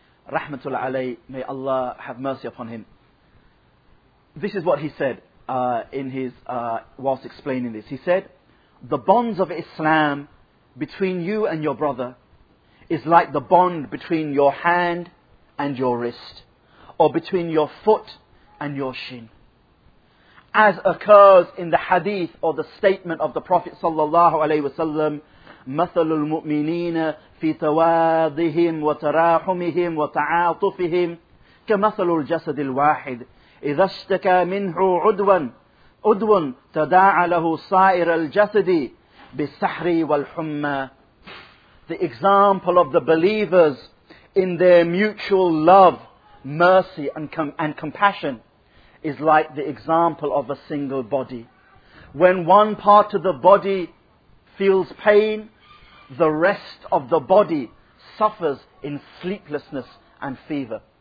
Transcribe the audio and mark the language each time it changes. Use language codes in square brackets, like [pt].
[en] Rahmatul alayh, may Allah have mercy upon him. This is what he said whilst explaining this. He said, "The bonds of Islam between you and your brother is like the bond between your hand and your wrist, or between your foot and your shin. As occurs in the hadith or the statement of the Prophet sallallahu alayhi wasallam, [ar] مَثَلُ الْمُؤْمِنِينَ فِي تَوَادِهِمْ وَتَرَاحُمِهِمْ وَتَعَاطُفِهِمْ كَمَثَلُ الْجَسَدِ الْوَاحِدِ إِذَا اشْتَكَى مِنْهُ عُدْوًا تَدَاعَ لَهُ سَائِرَ الْجَسَدِ بِالسَّحْرِ وَالْحُمَّى." [en] The example of the believers in their mutual love, mercy and compassion is like the example of a single body. When one part of the body feels pain, the rest of the body suffers in sleeplessness and fever.